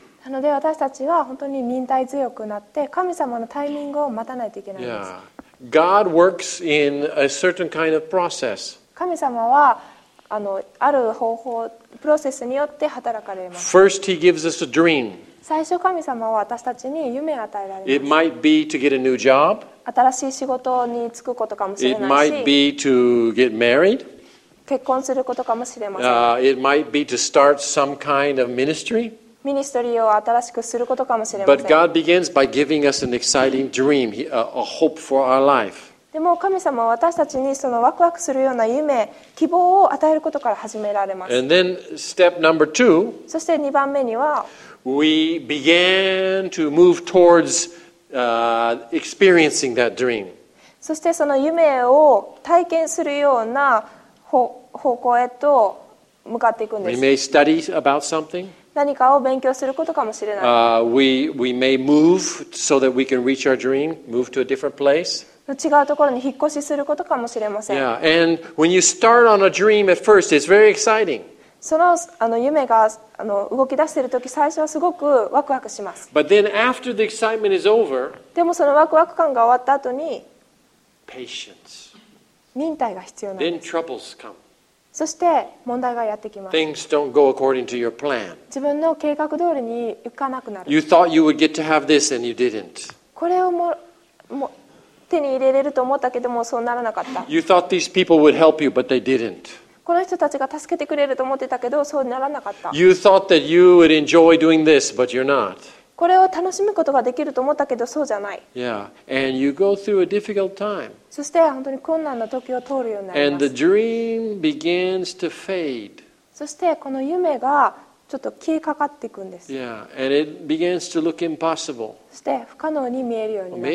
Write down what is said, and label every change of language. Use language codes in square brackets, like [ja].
[ja] なので私たちは本当に忍耐強くなって神様のタイミングを待たないといけないんです。 [en] Yeah. God works in a certain kind of process. [ja] 神様は ある方法、プロセスによって働かれます。 [en] First, He gives us a dream. [ja] 最初神様は私たちに夢を与えられます。 [en] It might be to get a new job. [ja] 新しい仕事に就くことかもしれないし。 [en] It might be to get married. [ja] 結婚することかもしれません。 [en] It might be to start some kind of ministry. [ja] ミニストリーを新しくすることかもしれません。 [en] But God begins by giving us an exciting dream, a hope for our life. [ja] でも神様は私たちにそのワクワクするような夢、希望を与えることから始められます。 [en] And then step number two. [ja] そして2番目には、 [en] We began to move towards experiencing that dream. [ja] そしてその夢を体験するような方向へと向かっていくんです。 [en] We may study about something. [ja] 何かを勉強することかもしれない。 [en] We may move so that we can reach our dream, move to a different place. [ja] 違うところに引っ越しすることかもしれません。 [en] Yeah, and when you start on a dream at first, it's very exciting. [ja] その、 夢が動き出しているとき最初はすごくワクワクします。 [en] But then after the excitement is over, [ja] でもそのワクワク感が終わった後に [en] Patience. [ja] 忍耐が必要なんです。 [en] Then troubles come. [ja] そして問題がやってきます。 [en] Things don't go according to your plan. [ja] 自分の計画通りに行かなくなる。 [en] You thought you would get to have this and you didn't. [ja] これをも手に入れれると思ったけどもそうならなかった。 [en] You thought these people would help you but they didn't. [ja] この人たちが助けてくれると思ってたけど、そうならなかった。 [en] You thought that you would enjoy doing this, but you're not. [ja] これを楽しむことができると思ったけど、そうじゃない。 [en] Yeah, and you go through a difficult time. [ja] そして本当に困難な時を通るようになります。 [en] And the dream begins to fade. [ja] そしてこの夢がちょっと消えかかっていくんです。 [en] Yeah, and it begins to look impossible. [ja] そして不可能に見えるようになる。